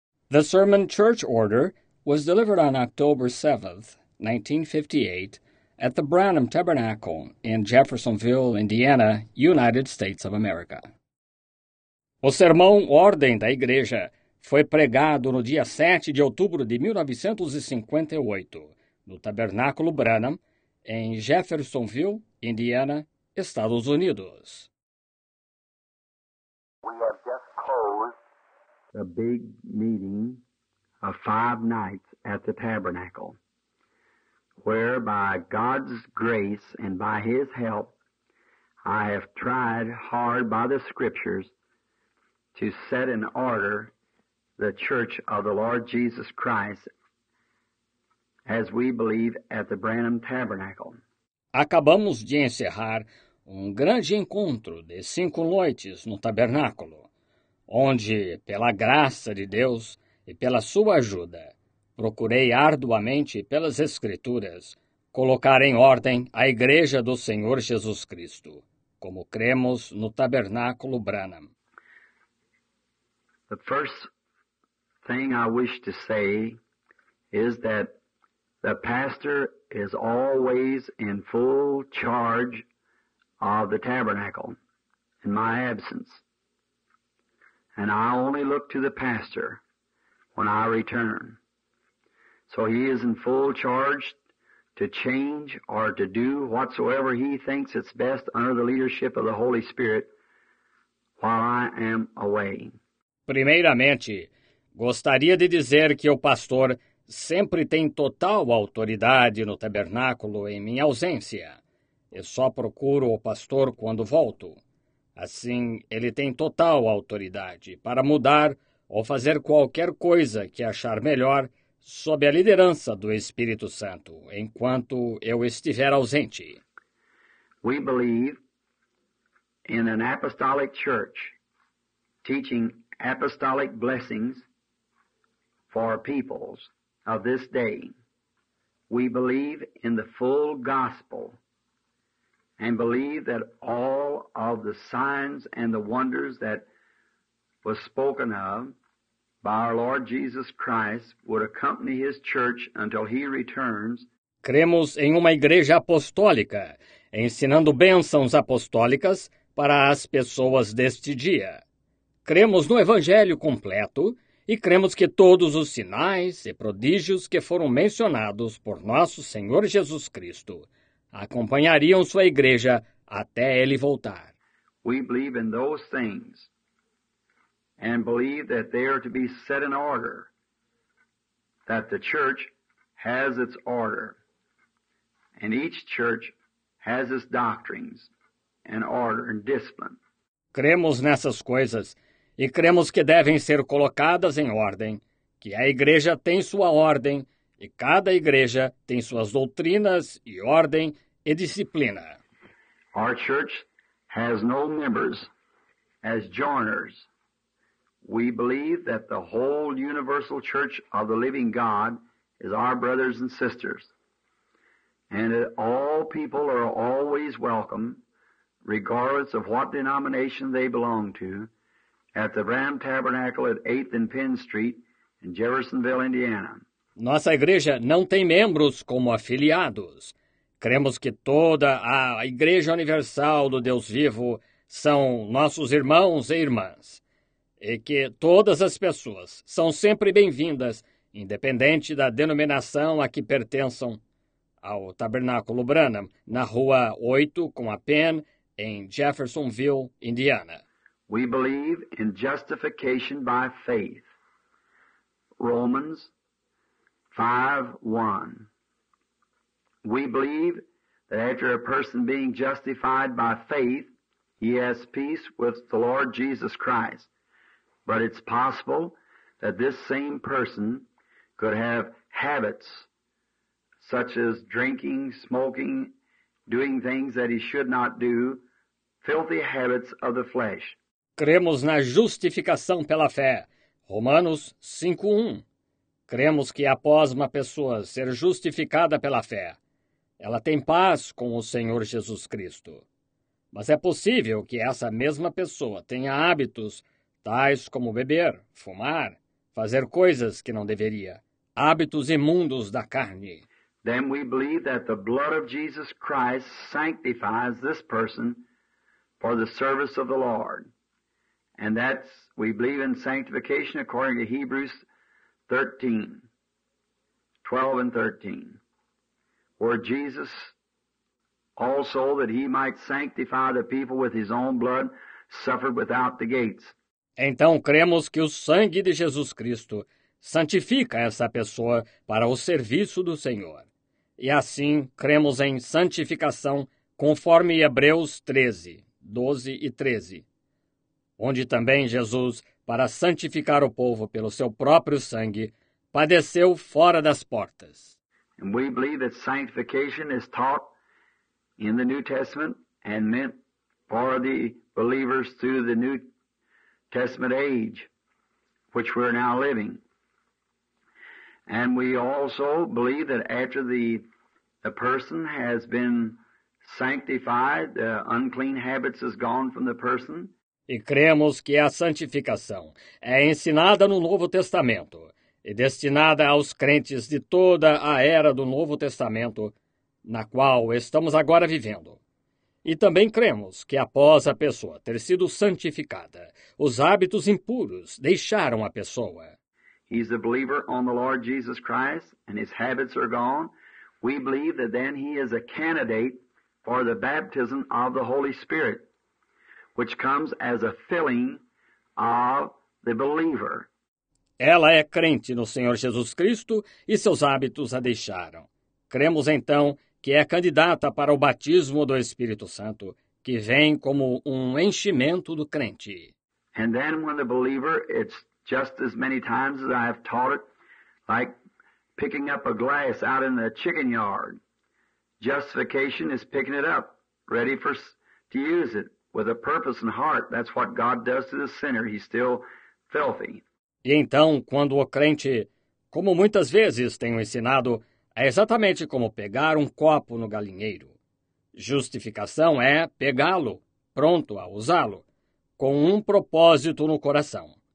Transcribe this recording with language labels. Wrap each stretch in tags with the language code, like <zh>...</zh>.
<en>The sermon church order was delivered on October 7, 1958, at the Branham Tabernacle in Jeffersonville, Indiana, United States of America.</en> <pt>O sermão Ordem da Igreja foi pregado no dia 7 de outubro de 1958, no Tabernáculo Branham, em Jeffersonville, Indiana, Estados Unidos.</pt> <en>We have just closed a big meeting of 5 nights at the Tabernacle, where by God's grace and by His help, I have tried hard by the Scriptures to set in order the Church of the Lord Jesus Christ as we believe at the Branham Tabernacle.</en> <pt>Acabamos de encerrar grande encontro de 5 noites no Tabernáculo, onde, pela graça de Deus e pela sua ajuda, procurei arduamente pelas Escrituras colocar em ordem a Igreja do Senhor Jesus Cristo, como cremos no Tabernáculo Branham.</pt> <en>The first thing I wish to say is that the pastor is always in full charge of the Tabernacle in my absence, and I only look to the pastor when I return. So he is in full charge to change or to do whatsoever he thinks it's best under the leadership of the Holy Spirit while I am away.</en> <pt>Primeiramente, gostaria de dizer que o pastor sempre tem total autoridade no Tabernáculo em minha ausência. Eu só procuro o pastor quando volto. Assim, ele tem total autoridade para mudar ou fazer qualquer coisa que achar melhor sob a liderança do Espírito Santo, enquanto eu estiver ausente.</pt> <en>We believe in an apostolic church teaching apostolic blessings for peoples of this day. We believe in the full gospel and believe that all of the signs and the wonders that was spoken of by our Lord Jesus Christ would accompany His church until He returns.</en> <pt>Cremos em uma igreja apostólica, ensinando bênçãos apostólicas para as pessoas deste dia. Cremos no Evangelho completo e cremos que todos os sinais e prodígios que foram mencionados por nosso Senhor Jesus Cristo acompanhariam sua igreja até Ele voltar.</pt> <en>We believe in those things and believe that they are to be set in order, that the church has its order, and each church has its doctrines and order and discipline.</en> <pt>Cremos nessas coisas e cremos que devem ser colocadas em ordem, que a igreja tem sua ordem e cada igreja tem suas doutrinas e ordem e disciplina.</pt> <en>Our church has no members as joiners. We believe that the whole universal church of the living God is our brothers and sisters, and that all people are always welcome, regardless of what denomination they belong to, at the Branham Tabernacle at 8th and Penn Street in Jeffersonville, Indiana.</en> <pt>Nossa igreja não tem membros como afiliados. Cremos que toda a Igreja Universal do Deus Vivo são nossos irmãos e irmãs, e que todas as pessoas são sempre bem-vindas, independente da denominação a que pertençam, ao Tabernáculo Branham, na Rua 8, com a Penn, em Jeffersonville, Indiana.</pt> <en>We believe in justification by faith. Romans 5:1. We believe that after a person being justified by faith, he has peace with the Lord Jesus Christ. But it's possible that this same person could have habits such as drinking, smoking, doing things that he should not do, filthy habits of the flesh.</en> <pt>Cremos na justificação pela fé. Romanos 5:1. Cremos que após uma pessoa ser justificada pela fé, ela tem paz com o Senhor Jesus Cristo. Mas é possível que essa mesma pessoa tenha hábitos tais como beber, fumar, fazer coisas que não deveria, hábitos imundos da carne.</pt> <en>Then we believe that the blood of Jesus Christ sanctifies this person for the service of the Lord. And that's, we believe in sanctification according to Hebrews 13, 12 and 13, where Jesus also, that he might sanctify the people with his own blood, suffered without the gates.</en> <pt>Então, cremos que o sangue de Jesus Cristo santifica essa pessoa para o serviço do Senhor. E assim, cremos em santificação conforme Hebreus 13, 12 e 13, onde também Jesus, para santificar o povo pelo seu próprio sangue, padeceu fora das portas.</pt> <en>And we believe that sanctification is taught in the New Testament and meant for the believers through the New Testament age, which we're now living. And we also believe that after the person has been sanctified, the unclean habits is gone from the person.</en> <pt>E cremos que a santificação é ensinada no Novo Testamento e destinada aos crentes de toda a era do Novo Testamento, na qual estamos agora vivendo. E também cremos que após a pessoa ter sido santificada, os hábitos impuros deixaram a pessoa.</pt> <en>He's a believer on the Lord Jesus Christ, and his habits are gone. We believe that then he is a candidate for the baptism of the Holy Spirit, which comes as a filling of the believer.</en> <pt>Ela é crente no Senhor Jesus Cristo e seus hábitos a deixaram. Cremos então que é candidata para o batismo do Espírito Santo, que vem como um enchimento do crente.</pt> <en>And then when the believer, it's just as many times as I have taught it, like picking up a glass out in the chicken yard. Justification is picking it up, ready for to use it. With a purpose and heart, that's what God does to the sinner. He's still filthy.</en> <pt>E então, quando o crente, como muitas vezes tenho ensinado, é exatamente como pegar um copo no galinheiro. Justificação é pegá-lo, pronto a usá-lo, com um propósito no coração.</pt>